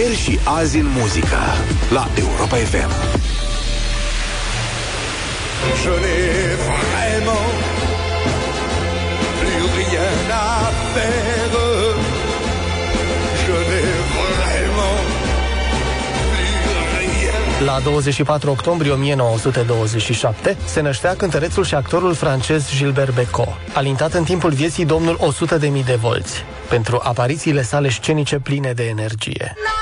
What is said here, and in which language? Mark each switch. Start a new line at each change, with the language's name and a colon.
Romanian: Și azi în muzică la Europa FM.
French: Je n'ai vraiment plus rien à faire. Je n'ai vraiment plus rien.
Romanian: La 24 octombrie 1927 se năștea cântărețul și actorul francez Gilbert Bécaud, alintat în timpul vieții domnul 100.000 de volți pentru aparițiile sale scenice pline de energie.